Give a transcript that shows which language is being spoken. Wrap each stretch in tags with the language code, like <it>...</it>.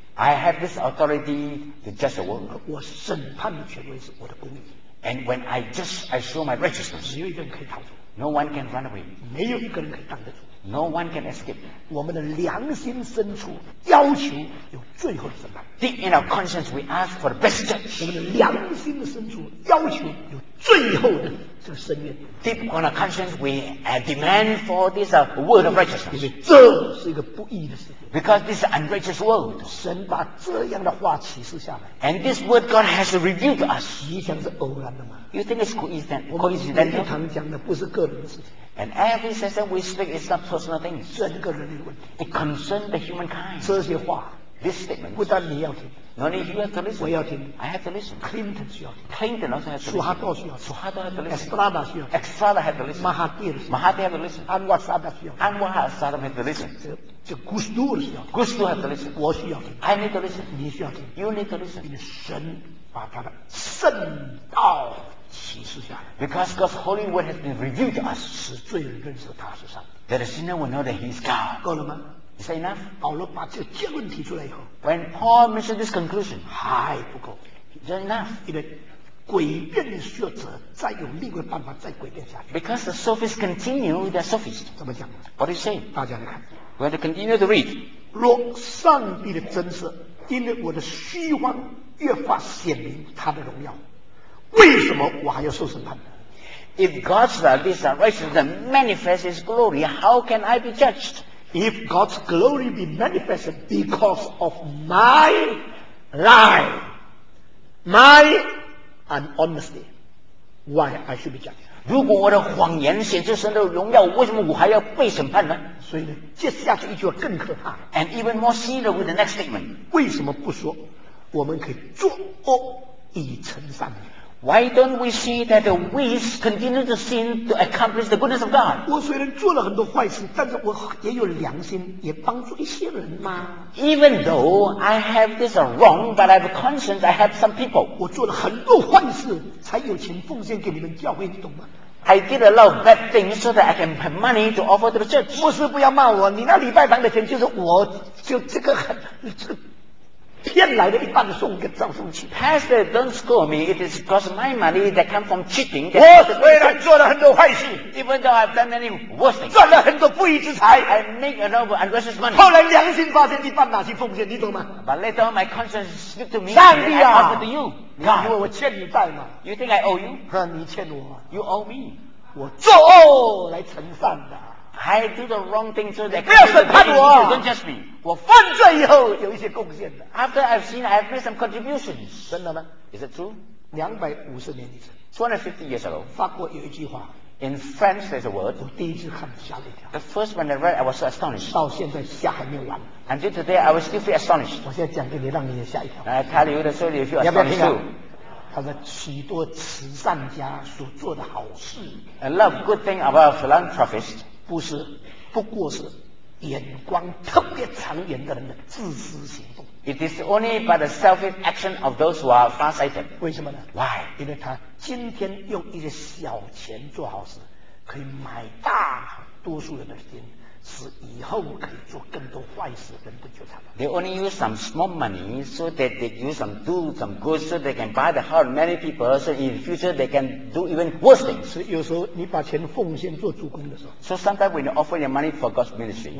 <en>I have this authority to judge the world.</en> <zh>我审判的权威是我的公义。</zh> <en>And when I judge, I show my righteousness.</en> <zh>没有一个人可以逃走。</zh> <en>No one can run away.</en> <zh>没有一个人可以挡得住。</zh> <en>No one can escape.</en> <zh>我们的良心深处要求有最后的审判。</zh> <en>Deep in our conscience, we ask for the best judge.</en> <zh>我们的良心的深处要求有最后的这个申冤。</zh> <en>Deep in our conscience, we demand for this word of righteousness.</en> <zh>因为这是一个不义的事。</zh> <en>Because this is an unrighteous world.</en> <zh>神把这样的话启示下来。</zh> <en>And this word God has revealed to us.</en> <zh>你想是偶然的吗？</zh> <en>You think it's coincidental?</en> <zh>我们每堂讲的不是个人的事情。</zh> <en>And every session we speak is not personal things.</en> <zh>整个人类的问题。</zh> <en>It concerns the humankind.</en> <zh>这些话。</zh> <en>This statement.</en> <zh>不但你要听。</zh> <en>Not only you have to listen.</en> <zh>我要听。</zh> <en>I have to listen.</en> <zh>Clinton 需要听。</zh> <en>Clinton also has to listen.</en> <zh>Suharto 需要听。</zh> <en>Suharto has to listen.</en> <zh>Estrada 需要听。</zh> <en>Estrada has to listen.</en> <zh>Mahathir 需要听。</zh> <en>Mahathir has to listen.</en> <zh>Anwar Sadat 需要听。</zh> <en>Anwar Sadat has to listen.</en> <zh>这 Gusdur 需要听。</zh> <en>Gusdur has to listen.</en> <zh>我需要听。</zh> <en>I need to listen.</en> <zh>你需要听。</zh> <en>You need to listen.</en> <zh>因为神把他的圣道启示下来。</zh> <en>Because God's holy word has been revealed to us.</en> <zh>使罪人认识他是神。</zh> <en>That a sinner will know that he is God.</en> <zh>够了吗？</zh> <en>Is that enough?</en> <zh>保罗把这个结论提出来以后</zh> <en>，When Paul mentioned this conclusion,</en> <zh>还不够</zh> <en>，Is that enough?</en> <zh>因为诡辩的学者再有另一个办法再诡辩下去。</zh> <en>Because the sophists continue their sophists.</en> <zh>怎么讲</zh> <en>？What do you say?</en> <zh>大家来看</zh> <en>，We have to continue to read.</en> <zh>若上帝的真实，因为我的虚妄越发显明他的荣耀，为什么我还要受审判呢？</zh> <en>If God's this righteousness manifests His glory, how can I be judged? If God's glory be manifested because of my lie, my unhonesty, why I should be judged?</en> <zh>如果我的谎言显示神的荣耀，为什么我还要被审判呢？所以呢，接下去一句话更可怕。</zh> <en>And even more serious with the next statement.</en> <zh>为什么不说我们可以作恶以成善？</zh> <en>Why don't we see that we continue to sin to accomplish the goodness of God?</en> <zh>我虽然做了很多坏事，但是我也有良心，也帮助一些人嘛。</zh> <en>Even though I have this wrong, but I have a conscience, I help some people.</en> <zh>我做了很多坏事，才有钱奉献给你们教会，你懂吗？</zh> <en>I did a lot of bad things so that I can have money to offer to the church.</en> <zh>牧师不要骂我，你那礼拜堂的钱就是我就这个很这。骗来的一半送给赵松奇。</zh> <en>Pastor, don't scold me. It is because my money that come from cheating.</en> <zh>我虽然做了很多坏事</zh> <en>，even though I've done many worse things，</en> <zh>赚了很多不义之财</zh> <en>，I make a lot of unrighteous money。</en> <zh>后来良心发现一半拿去奉献，你懂吗</zh> <en>？But later on, my conscience slipped to me.</en> <zh>上帝啊</zh> <en>，offer to you。</en> <zh>你以为我欠你债吗</zh> <en>？You think I owe you？</en> <zh>哈，你欠我。</zh> <en>You owe me。</en> <zh>我作恶来承担的。</zh> <en>I do the wrong thing so that</en> <zh>不要审判我</zh> <en>，Don't judge me。</en> <zh>我犯罪以后有一些贡献的。</zh> <en>After I've seen, I've made some contributions。</en> <zh>真的吗</zh> <en>？Is it true？</en> <zh>250年以前</zh> <en>，250 years ago，</en> <zh>法国有一句话。</zh> <en>In France, there's a word。</en> <zh>我第一次看吓了一跳。</zh> <en>The first when I read, I was so astonished。</en> <zh>到现在吓还没完。</zh> <en>Until today, I was still feel astonished。</en> <zh>我现在讲给你，让你也吓一跳。</zh> <en>I tell you the story, you feel astonished too。</en> <zh>他说：“许多慈善家所做的好事。</zh> <en>”A lot of good thing about philanthropists。</en> <zh>不过是眼光特别长远的人的自私行动。</zh> <en>It is only by the selfish action of those who are far-sighted.</en> <zh>为什么呢</zh> <en>？Why？</en> <zh>因为他今天用一些小钱做好事，可以买大多数人的心，使以后可以做更多坏事，人不纠缠。</zh> <en>They only use some small money so that they use some do some good so they can buy the heart of many people so in the future they can do even worse things.</en> <zh>是有时候你把钱奉献做主公的时候。</zh> <en>So sometimes when you offer your money for God's ministry.</en>